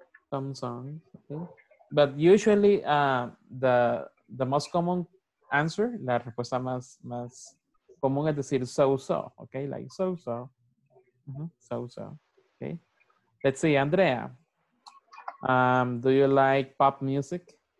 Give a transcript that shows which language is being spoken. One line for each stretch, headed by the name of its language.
English: Some songs, okay. But usually the most common answer,
Spanish: la respuesta más, más común es decir so-so, okay?
English: Like so-so, so-so, okay? Let's see, Andrea, do you like pop music?